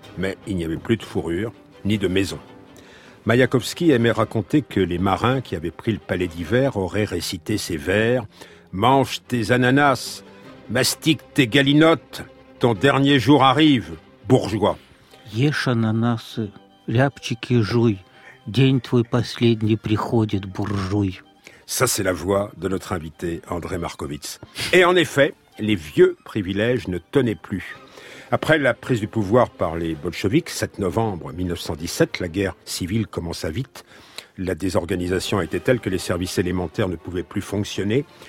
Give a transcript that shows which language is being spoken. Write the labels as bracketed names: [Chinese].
[French] Mais il n'y avait plus de fourrures, ni de maison. Maïakovski aimait raconter que les marins qui avaient pris le palais d'hiver auraient récité ces vers. « Mange tes ananas, mastique tes galinottes, ton dernier jour arrive, bourgeois !»« [Russian] Ешь ананасы, ляпчики жуй, день твой последний приходит, буржуй !» [French] Ça, c'est la voix de notre invité André Markowitz. Et en effet, les vieux privilèges ne tenaient plus. Après la prise du pouvoir par les bolcheviks, 7 novembre 1917, la guerre civile commença vite. La désorganisation était telle que les services élémentaires ne pouvaient plus fonctionner.